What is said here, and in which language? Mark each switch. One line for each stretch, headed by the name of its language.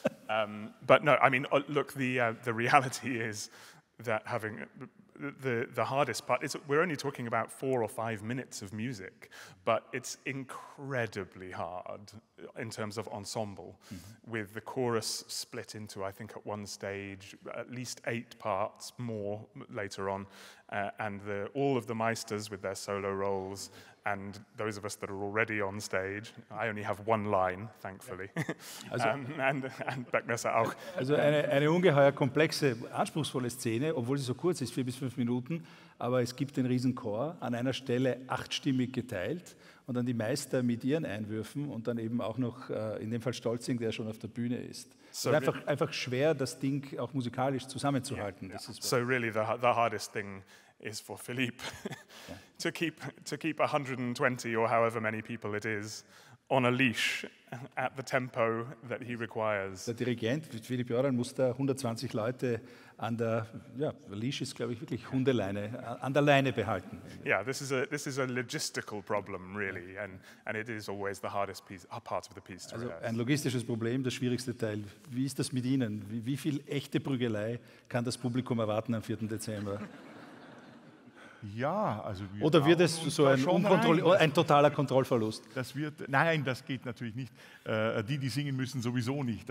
English: But no, I mean, look, the reality is that having the hardest part is we're only talking about 4 or 5 minutes of music, but it's incredibly hard in terms of ensemble, mm-hmm, with the chorus split into, I think at one stage, at least 8 parts more later on, and all of the Meisters with their solo roles, and those of us that are already on stage, I only have 1 line, thankfully.
German: Also, and Beckmesser auch. Also eine ungeheuer komplexe, anspruchsvolle Szene, obwohl sie so kurz ist, 4 bis 5 Minuten, aber es gibt den Riesenchor, an einer Stelle 8-stimmig geteilt, und dann die Meister mit ihren Einwürfen und dann eben auch noch in dem Fall Stolzing, der schon auf der Bühne ist. So einfach schwer, das Ding auch musikalisch zusammenzuhalten.
English: Yeah, yeah. So really the hardest thing is for Philippe to keep 120 or however many people it is on a leash at the tempo that he requires.
German: Der Dirigent Philippe Joran muss da 120 Leute an der, ja, Leash ist, glaube ich, wirklich Hundeleine, an der Leine behalten.
English: Yeah, this is a logistical problem, really, and it is always the hardest part of the piece to
German: also
English: rehearse.
German: Ein logistisches Problem, der schwierigste Teil. Wie ist das mit Ihnen? Wie viel echte Prügelei kann das Publikum erwarten am 4. Dezember? Ja, also wir oder wird es so ein totaler Kontrollverlust? Nein, das geht natürlich nicht. Die singen müssen, sowieso nicht.